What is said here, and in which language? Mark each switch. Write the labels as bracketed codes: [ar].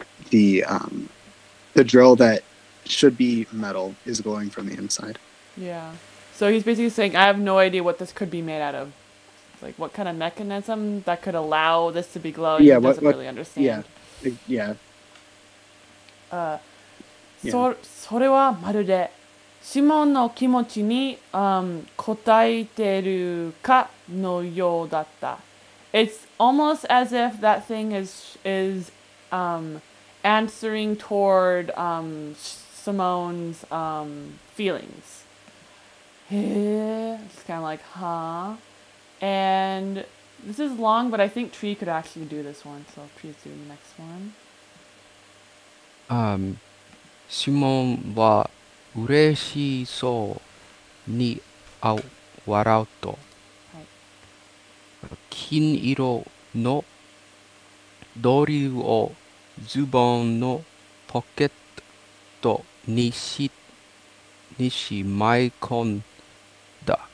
[en] The drill that should be metal is going from the inside. Yeah. So he's basically saying, I have no idea what this could be made out of. It's like, what kind of mechanism that could allow this to be glowing? He doesn't really understand. [ja] それはまるで、シモンの気持ちに、応えてるかのようだった。 [en] It's almost as if that thing is answering toward Simone's feelings. It's kind of like, huh? And this is long, but I think Tree could actually do this one, so Tree's doing the next one. [ja] シモンは嬉しそうに笑うと、金色のドリルをズボンのポケットにしまい込んだ。